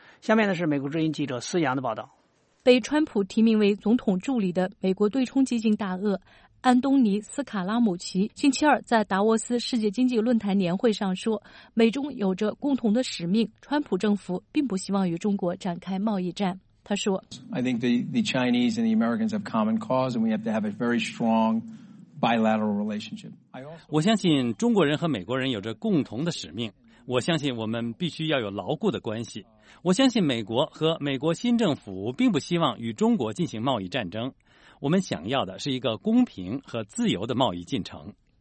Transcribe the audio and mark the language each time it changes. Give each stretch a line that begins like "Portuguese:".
Chinese: 下面呢是美国之音记者思阳的报道。被川普提名为总统助理的美国对冲基金大鳄安东尼·斯卡拉姆奇星期二在达沃斯世界经济论坛年会上说，美中有着共同的使命，川普政府并不希望与中国展开贸易战。他说，
English: I think the Chinese and the Americans have common cause and we have to have a very strong bilateral relationship.
Chinese: 我相信中国人和美国人有着共同的使命，我相信我们必须要有牢固的关系。我相信美国和美国新政府并不希望与中国进行贸易战争，我们想要的是一个公平和自由的贸易进程。